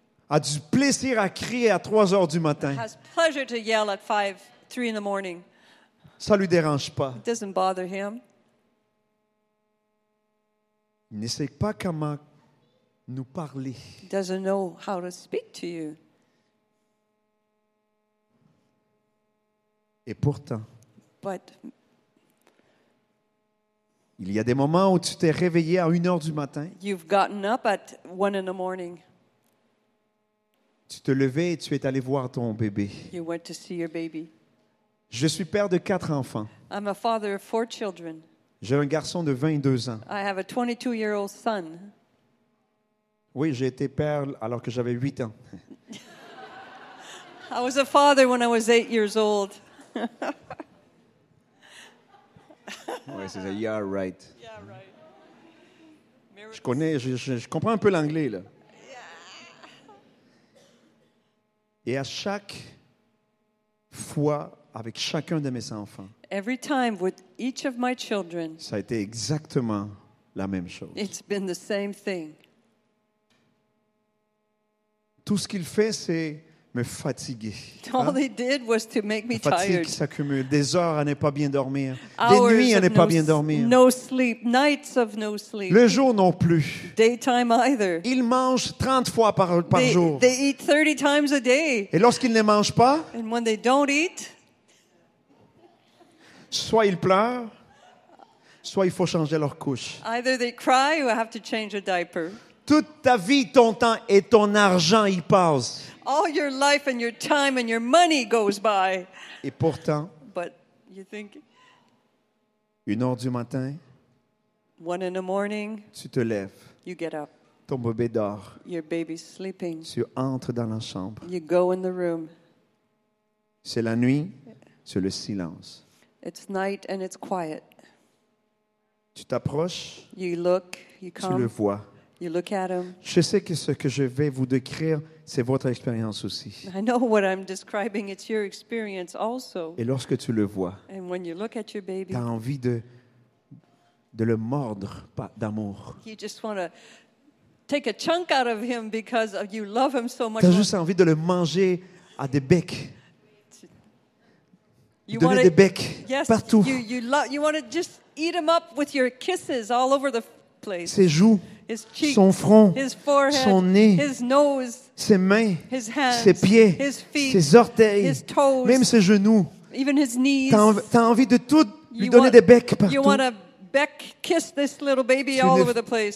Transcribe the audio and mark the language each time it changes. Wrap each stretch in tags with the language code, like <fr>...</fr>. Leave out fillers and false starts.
<fr>A du plaisir à crier à 3 heures du matin.</fr> <en>Has pleasure to yell at 3 in the morning.</en> <fr>Ça lui dérange pas.</fr> <en>It doesn't bother him.</en> <fr>Il ne sait pas comment nous parler.</fr> <en>He doesn't know how to speak to you.</en> <fr>Et pourtant,</fr> <en>but,</en> <fr>il y a des moments où tu t'es réveillé à 1h du matin.</fr> <en>You've gotten up at 1 in the morning.</en> <fr>Tu te levais et tu es allé voir ton bébé.</fr> <en>You went to see your baby.</en> <fr>Je suis père de 4 enfants.</fr> <en>I'm a father of 4 children.</en> <fr>J'ai un garçon de 22 ans.</fr> <en>I have a 22-year-old son.</en> <fr>Oui, j'ai été père alors que j'avais 8 ans.</fr> <en>I was a father when I was 8 years old.</en> <fr>Ouais, c'est ça.</fr> <en>You are right. Yeah, right.</en> <fr>Je comprends un peu l'anglais là.</fr> <en>Yeah.</en> <fr>Et à chaque fois avec chacun de mes enfants.</fr> <en>Every time with each of my children.</en> <fr>Ça a été exactement la même chose.</fr> <en>It's been the same thing.</en> <fr>Tout ce qu'il fait, c'est me fatiguer.</fr> <en>All they did was to make me tired.</en> <fr>Fatigue qui s'accumule. Des heures à ne pas bien dormir. Des nuits à ne pas bien dormir.</fr> <en>No sleep. Nights of no sleep.</en> <fr>Le jour non plus.</fr> <en>Daytime either.</en> <fr>Ils mangent 30 fois par jour.</fr> <en>They eat 30 times a day.</en> <fr>Et lorsqu'ils ne mangent pas,</fr> <en>and when they don't eat,</en> <fr>soit ils pleurent, soit il faut changer leur couche.</fr> <en>Either they cry or have to change a diaper.</en> <fr>Toute ta vie, ton temps et ton argent y passent.</fr> <en>All your life and your time and your money goes by.</en> <fr>Et pourtant,</fr> <en>but you think,</en> <fr>1 h du matin,</fr> <en>1 in the morning,</en> <fr>tu te lèves.</fr> <en>You get up.</en> <fr>Ton bébé dort.</fr> <en>Your baby's sleeping.</en> <fr>Tu entres dans la chambre.</fr> <en>You go in the room.</en> <fr>C'est la nuit, c'est le silence.</fr> <en>It's night and it's quiet.</en> <fr>Tu t'approches.</fr> <en>You look, you come.</en> <fr>Tu le vois.</fr> <en>You look at him.</en> <fr>Je sais que ce que je vais vous décrire, c'est votre expérience aussi.</fr> <en>I know what I'm describing, it's your experience also.</en> <fr>Et lorsque tu le vois,</fr> <en>and when you look at your baby,</en> <fr>t'as envie de le mordre d'amour.</fr> <en>You just want to take a chunk out of him because you love him so much.</en> <fr>T'as juste envie de le manger à des becs.</fr> <en>You</en> <fr>donner des becs,</fr> <en>yes,</en> <fr>partout.</fr> <en>You want to just eat him up with your kisses all over the place.</en> <fr>Ses joues.</fr> <en>His cheeks,</en> <fr>son front,</fr> <en>his forehead,</en> <fr>son nez,</fr> <en>his nose,</en> <fr>ses mains,</fr> <en>his hands,</en> <fr>ses pieds,</fr> <en>his feet,</en> <fr>ses orteils,</fr> <en>his toes,</en> <fr>même ses genoux.</fr> <en>Even his knees.</en> <fr>T'as envie de tout lui donner des becs partout.</fr> <en>You want to beck, kiss this little baby all over the place.</en>